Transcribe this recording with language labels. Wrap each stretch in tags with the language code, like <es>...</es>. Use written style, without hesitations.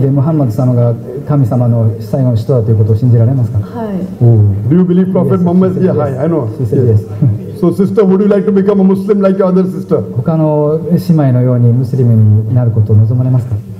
<ja>でムハンマドさんが神様の最後の使徒だということを信じられますか。はい。</ja> <en>Do you believe Prophet Muhammad? Yes. Yeah, yes. I know. She said yes. So, sister, would you like to become a Muslim like your other sister?</en> <ja>他の姉妹のようにムスリムになることを望まれますか。</ja>